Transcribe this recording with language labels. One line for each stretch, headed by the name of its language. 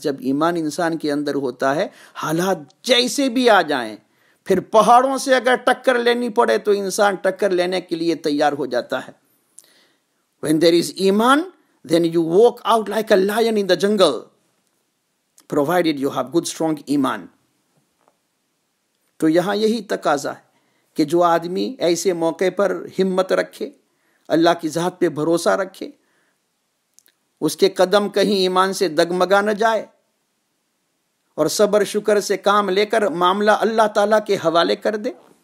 Hindi: जब ईमान इंसान के अंदर होता है, हालात जैसे भी आ जाएं, फिर पहाड़ों से अगर टक्कर लेनी पड़े तो इंसान टक्कर लेने के लिए तैयार हो जाता है.
English: When there is iman, then you walk out like a lion in the jungle, provided you have good strong iman.
Hindi: तो यहां यही तकाजा है कि जो आदमी ऐसे मौके पर हिम्मत रखे, अल्लाह की जात पे भरोसा रखे, उसके कदम कहीं ईमान से दगमगा न जाए, और सब्र शुक्र से काम लेकर मामला अल्लाह ताला के हवाले कर दे,